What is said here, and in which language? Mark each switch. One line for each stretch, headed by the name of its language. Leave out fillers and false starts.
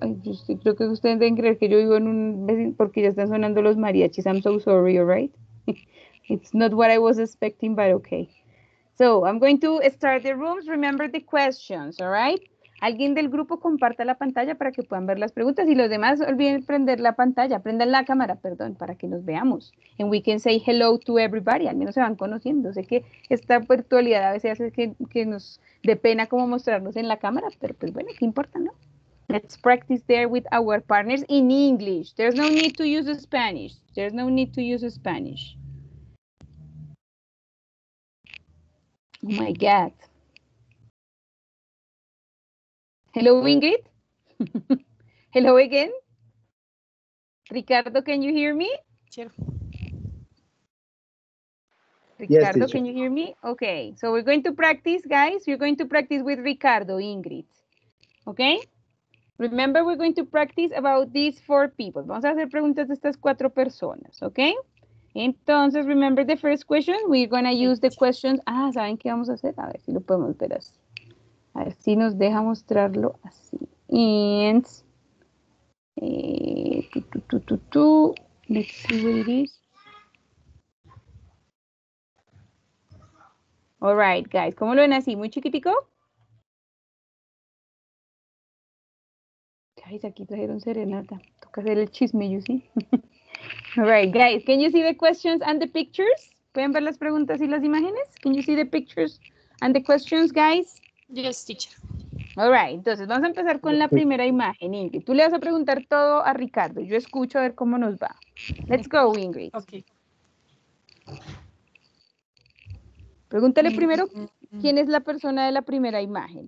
Spanish: Creo que ustedes deben creer que yo vivo en un porque ya están sonando los mariachis.
English: I'm so sorry, all right? It's not what I was expecting, but okay. So I'm going to start the rooms. Remember the questions, all right?
Spanish: Alguien del grupo comparta la pantalla para que puedan ver las preguntas, y los demás olviden prender la pantalla, prendan la cámara, perdón, para que nos veamos.
English: And we can say hello to everybody,
Spanish: al menos se van conociendo. Sé que esta virtualidad a veces hace que nos dé pena como mostrarnos en la cámara, pero pues bueno, qué importa, ¿no?
English: Let's practice there with our partners in English. There's no need to use Spanish. There's no need to use Spanish. Oh my God. Hello, Ingrid. Hello again. Ricardo, can you hear me? Sure. Ricardo, yes, can you hear me? Okay, so we're going to practice, guys. You're going to practice with Ricardo, Ingrid. Okay? Remember, we're going to practice about these four people.
Spanish: Vamos a hacer preguntas de estas cuatro personas, okay? Entonces,
English: remember the first question. We're going to use the questions.
Spanish: Ah, ¿saben qué vamos a hacer? A ver si lo podemos ver así. A ver si nos deja mostrarlo así.
English: And let's see what it is. All right, guys.
Spanish: ¿Cómo lo ven así? ¿Muy chiquitico? Guys, aquí trajeron serenata. Toca hacer el chisme,
English: you see? All right, guys. Can you see the questions and the pictures?
Spanish: ¿Pueden ver las preguntas y las imágenes?
English: Can you see the pictures and the questions, guys? Yes, teacher. All right.
Spanish: Entonces, vamos a empezar con la primera imagen, Ingrid. Tú le vas a preguntar todo a Ricardo. Yo escucho a ver cómo nos va. Let's go, Ingrid. Okay. Pregúntale primero quién es la persona de la primera imagen.